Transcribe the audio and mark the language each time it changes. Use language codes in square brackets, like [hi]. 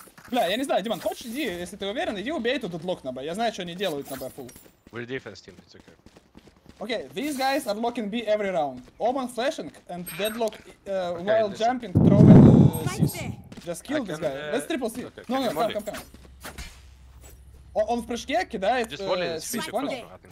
[ru] Бля, я не знаю, Диман, хочешь иди, если ты уверен, иди убей этот лок на Б. Я знаю, что они делают на Б фул. [en] We're defense team, it's okay. Okay, these guys are locking B every round. Omen flashing and deadlock okay, while jumping, throwing C's. Just kill this guy. Let's triple C. Okay, no, no, come, come, come. [ru] Он в прыжке кидает C, понял?